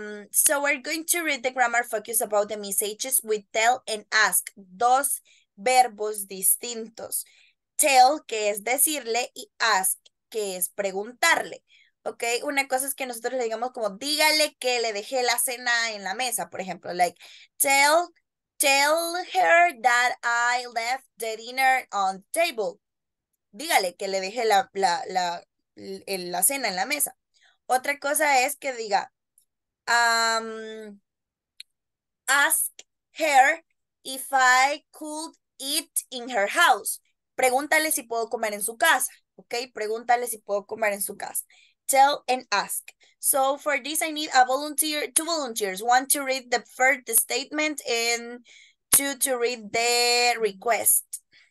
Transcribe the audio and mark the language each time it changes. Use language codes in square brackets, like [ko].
[en] So we're going to read the grammar focus about the messages with tell and ask, [es] dos verbos distintos. Tell, que es decirle, y ask, que es preguntarle. Ok, una cosa es que nosotros le digamos como dígale que le dejé la cena en la mesa, por ejemplo, [en] like tell her that I left the dinner on table. [es] Dígale que le dejé la cena en la mesa. Otra cosa es que diga, [en] ask her if I could eat in her house. [es] Pregúntale si puedo comer en su casa. Ok, pregúntale si puedo comer en su casa. [en] Tell and ask. So for this, I need a volunteer, two volunteers. One to read the first statement and two to read the request.